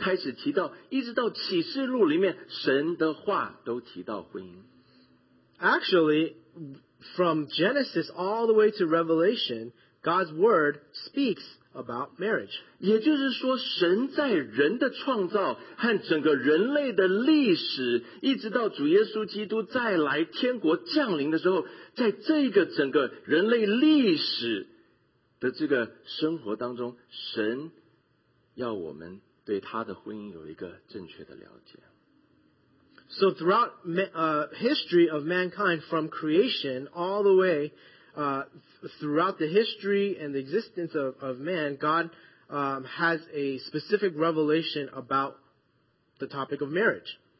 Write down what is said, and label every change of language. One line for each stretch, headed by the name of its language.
Chinese: 神对婚姻的这个设立和这个观念的分享和教导，是从创世的开始，创世纪第一章开始提到，一直到启示录里面，神的话都提到婚姻。
English: Actually, from Genesis all the way to Revelation, God's word speaks about marriage.
Chinese: 也就是说神在人的创造和整个人类的历史一直到主耶稣基督再来天国降临的时候在这个整个人类历史的这个生活当中神要我们对他的婚姻有一个正确的了解。
English: So throughout history of mankind from creation all the way throughout the history and the existence of man, God has a specific revelation about the topic of marriage.